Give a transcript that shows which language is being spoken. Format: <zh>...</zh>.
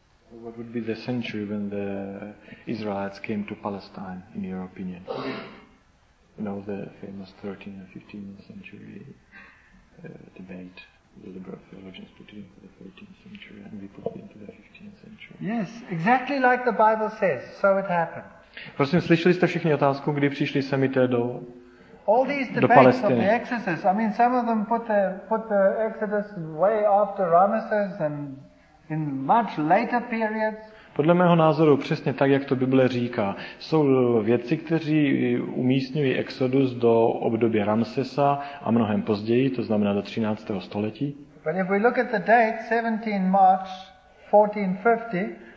<en>What would be the century when the Israelites came to Palestine, in your opinion? You know the famous 13th and 15th century debate, the liberal theologians put it into the 13th century and we put it into the 15th century. Yes, exactly like the Bible says, so it happened.</en> <cs>Prosím, slyšeli jste všichni otázku, kdy přišli Semité do Palestiny?</cs> <en>All these debates of the Exodus, I mean, some of them put the Exodus way after Ramesses and in much later periods.</en> <cs>Podle mého názoru přesně tak, jak to Bible říká. Jsou vědci, kteří umístňují Exodus do období Ramsesa a mnohem později, to znamená do 13. století.</cs> <en>But if we look at the date, 17 March 1450,</en>